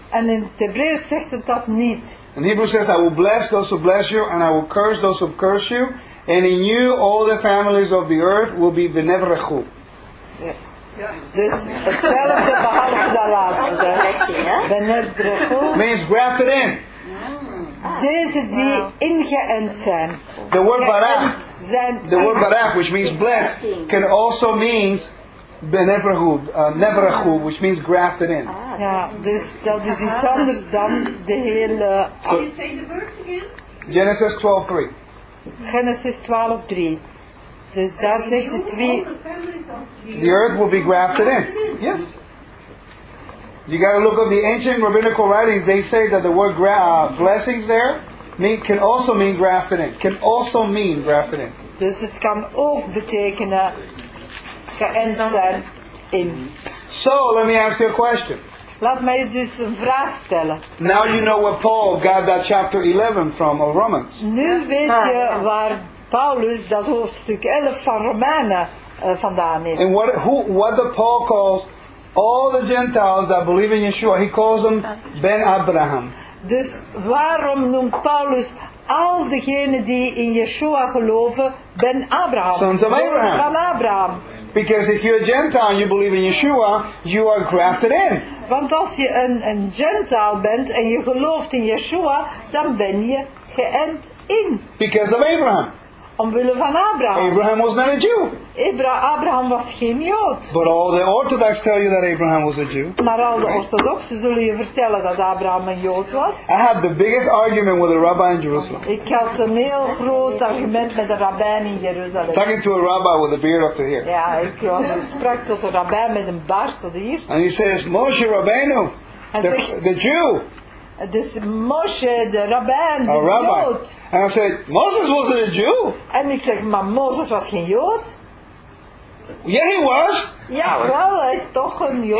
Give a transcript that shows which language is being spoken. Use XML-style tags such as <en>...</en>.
<nl>En in het Hebreeuws zegt het dat niet.</nl> <en>And Hebrew says, I will bless those who bless you, and I will curse those who curse you, and in you all the families of the earth will be benevrechu.</en> <nl>Dus hetzelfde behalve de laatste.</nl> <he>Benevrechu.</he> <en>Means grafted in.</en> <nl>Deze die ingeënt zijn.</nl> <en>The word barach, which means blessed, can also mean benevrechu, which means grafted in.</en> <nl>Ja, dus dat is iets anders dan de hele.</nl> <en>Can you say the verse again? Genesis 12:3.</en> <nl>Genesis 12:3. Dus daar zegt het wie.</nl> <en>The earth will be grafted in. Yes. You got to look up the ancient rabbinical writings. They say that the word blessings there can also mean grafted in. Can also mean grafted in.</en> <nl>Dus het kan ook betekenen geënt zijn in.</nl> <en>So let me ask you a question.</en> <nl>Laat mij dus een vraag stellen.</nl> <en>Now you know where Paul got that chapter 11 from of Romans.</en> <nl>Nu weet je waar Paulus dat hoofdstuk 11 van Romeinen vandaan heeft.</nl> <en>And what the Paul calls all the Gentiles that believe in Yeshua, he calls them Ben Abraham.</en> <nl>Dus waarom noemt Paulus al degenen die in Yeshua geloven Ben Abraham?</nl> <en>Sons of Abraham.</en> <nl>Van Abraham.</nl> <en>Because if you're a Gentile and you believe in Yeshua, you are grafted in.</en> <nl>Want als je een Gentile bent en je gelooft in Yeshua, dan ben je geënt in.</nl> <en>Because of Abraham.</en> <nl>Omwille van Abraham.</nl> <en>Abraham was not a Jew.</en> <nl>Abraham was geen Jood.</nl> <en>But all the Orthodox tell you that Abraham was a Jew.</en> <nl>Maar al de Orthodoxen zullen je vertellen dat Abraham een Jood was.</nl> <en>I had the biggest argument with a rabbi in Jerusalem.</en> <nl>Ik had een heel groot argument met een rabbijn in Jeruzalem.</nl> <en>Talking to a rabbi with a beard up to here.</en> <nl>Ja, ik sprak tot een rabbijn met een baard tot hier.</nl> <en>And he says, Moshe Rabbeinu, the Jew.</en> <nl>Dus Moshe, de rabbijn, de Jood.</nl> <en>And I said, Moses wasn't a Jew.</en> <nl>En ik zeg, maar Moses was geen Jood.</nl> <en>Yeah, he was.</en> <nl>Ja, wel, hij is toch een Jood.</nl>